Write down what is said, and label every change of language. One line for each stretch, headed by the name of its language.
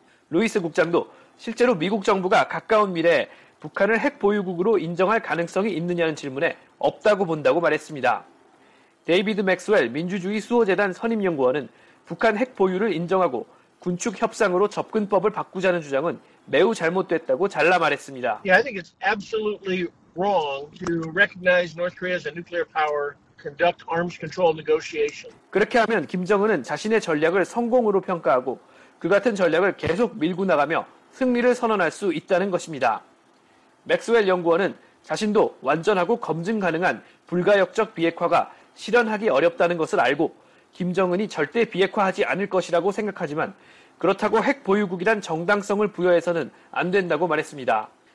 Korean: 루이스 국장도 실제로 미국 정부가 가까운 미래에 북한을 핵 보유국으로 인정할 가능성이 있느냐는 질문에 없다고 본다고 말했습니다. 데이비드 맥스웰 민주주의 수호재단 선임연구원은 북한 핵 보유를 인정하고 군축 협상으로 접근법을 바꾸자는 주장은 매우 잘못됐다고 잘라 말했습니다.
English: Yeah, I think it's absolutely wrong to recognize North Korea as a nuclear power, conduct arms control negotiation.
Korean: 그렇게 하면 김정은은 자신의 전략을 성공으로 평가하고 그 같은 전략을 계속 밀고 나가며 승리를 선언할 수 있다는 것입니다. 맥스웰 연구원은 자신도 완전하고 검증 가능한 불가역적 비핵화가 실현하기 어렵다는 것을 알고 김정은이 절대 비핵화하지 않을 것이라고 생각하지만 그렇다고 핵 보유국이란 정당성을 부여해서는 안 된다고 말했습니다.